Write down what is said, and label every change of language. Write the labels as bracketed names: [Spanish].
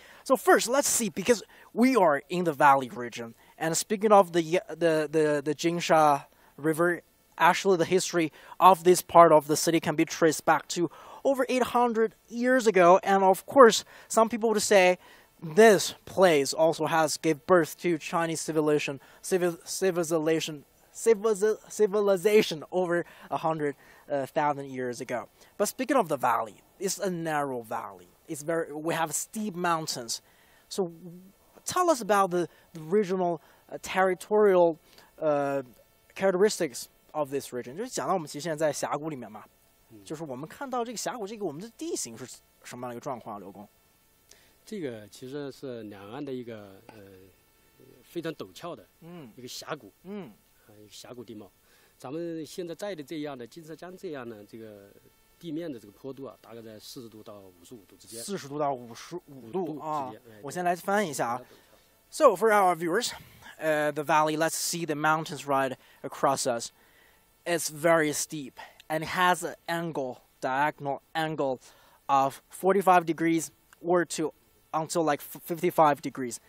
[English] So first, let's see, because we are in the valley region, and speaking of the Jinsha River, actually the history of this part of the city can be traced back to over 800 years ago, and of course, some people would say this place also has gave birth to Chinese civilization over 100,000 years ago. But speaking of the valley, it's a narrow valley. It's very, we have steep mountains. So tell us about the regional territorial characteristics of this region. [Chinese] 就是我们看到这个峡谷这个我们的地形是什么样的一个状况，刘工？这个其实是两岸的一个非常陡峭的一个峡谷地貌。咱们现在在的这样的金色江这样的这个 地面的这个坡度啊，大概在40度到55度之间。40度到55度啊，我先来翻译一下啊。So [English] for our viewers, the valley, let's see the mountains right across us. It's very steep and has an angle, diagonal angle of 45 degrees or to until like 55 degrees.